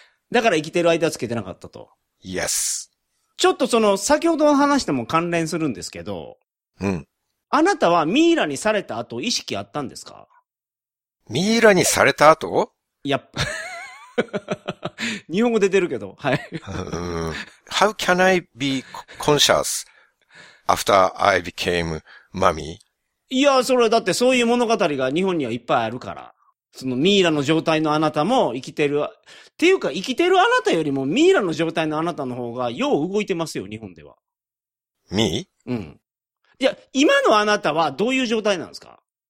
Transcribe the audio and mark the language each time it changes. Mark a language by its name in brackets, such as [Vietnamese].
[Japanese] だから生きてる間はつけてなかったと。 [English] Yes. [Japanese] ちょっとその、先ほどの話でも関連するんですけど。うん。あなたはミイラにされた後意識あったんですか？ミイラにされた後？いや、日本語で出てるけど、はい。 [English] How can I be conscious after I became mummy? [Japanese] いや、それだってそういう物語が日本にはいっぱいあるから、そのミイラの状態のあなたも生きてる、っていうか生きてるあなたよりもミイラの状態のあなたの方がよう動いてますよ、日本では。 [English] Me? [Japanese] うん。いや、今のあなたはどういう状態なんですか？